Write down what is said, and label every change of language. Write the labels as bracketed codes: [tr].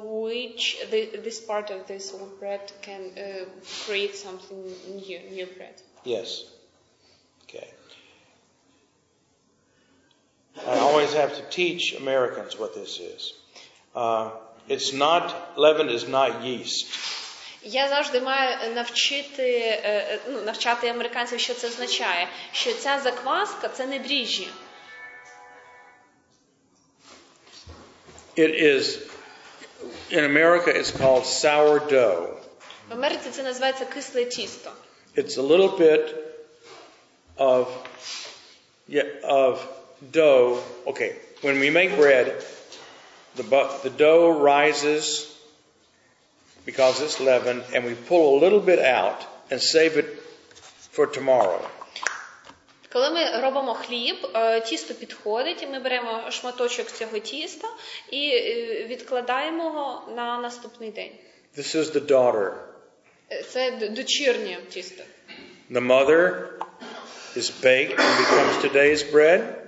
[en] Which this part of this old bread can create something new bread. Yes. Okay. I always have to teach Americans what this is. It's not, leaven is not yeast. [uk] Я завжди маю навчити, навчати американців, що це означає. Що ця закваска – це не дріжджі. [en] It is, in America it's called sourdough. [uk] В Америці це називається кисле тісто. [en] It's a little bit of dough. Okay, when we make bread, the dough rises because it's leavened, and we pull a little bit out and save it for tomorrow. [uk] Коли ми робимо хліб, тісто підходить, і ми беремо шматочок цього тіста і відкладаємо його на наступний день. [en] This is the daughter. [uk] Це дочірнє тісто. [en] The mother is baked and becomes today's bread.